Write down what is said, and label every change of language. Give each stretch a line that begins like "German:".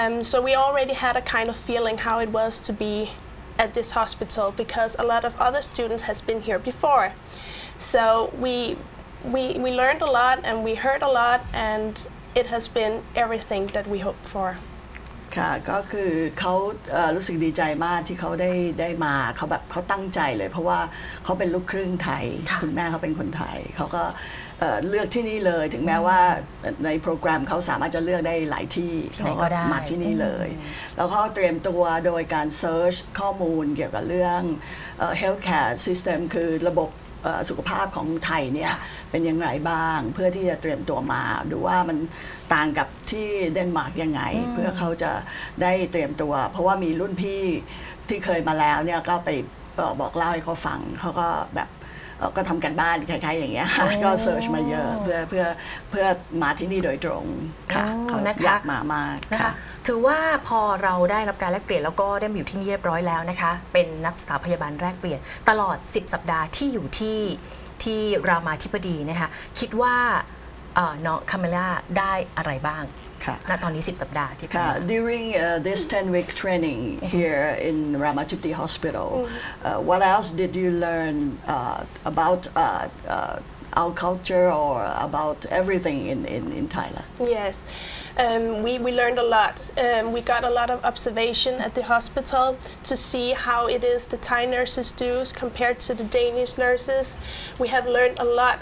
English: So we already had a kind of feeling how it was to be at this hospital because a lot of other students has been here before. So we learned a lot and we heard a lot and it has been everything that we hoped for.
Thai: ค่ะก็คือเขารู้สึกดีใจมากที่เขาได้มาเขาแบบเขาตั้งใจเลยเพราะว่าเขาเป็นลูกครึ่งไทย คุณแม่เขาเป็นคนไทยเขาก็เลือกที่นี่เลยถึงแม้ว่าในโปรแกรมเขาสามารถจะเลือกได้หลายที่เขาก็มาที่นี่เลยแล้วเขาเตรียมตัวโดยการเซิร์ชข้อมูลเกี่ยวกับเรื่อง healthcare system คือระบบสุขภาพของไทยเนี่ยเป็นยังไงบ้างเพื่อที่จะเตรียมตัวมาดูว่ามันต่างกับที่เดนมาร์กยังไงเพื่อเขาจะได้เตรียมตัวเพราะว่ามีรุ่นพี่ที่เคยมาแล้วเนี่ยก็ไปบอกเล่าให้เขาฟังเขาก็แบบก็ทำกันบ้านคล้ายๆอย่างเงี้ยก็เซิร์ชมาเยอะเพื่อมาที่นี่โดยตรงค่ะเขาอยากมามากค่ะ ถือว่าพอเราได้รับการแลกเปลี่ยนแล้วก็ได้มาอยู่ที่นี่เรียบร้อยแล้วนะคะเป็นนักศึกษาพยาบาลแลกเปลี่ยนตลอด10 สัปดาห์ที่อยู่ที่รามาธิบดีนะคะคิดว่า น้องคาเมล่าได้อะไรบ้างณตอนนี้10สัปดาห์ที่ผ่านมา
English: During this 10 week training here in Rama Chitti Hospital what else did you learn about our culture or about everything in Thailand? Yes. We learned a lot. We got a lot of observation at the hospital to see how it is the Thai nurses do compared to the Danish nurses. We have learned a lot.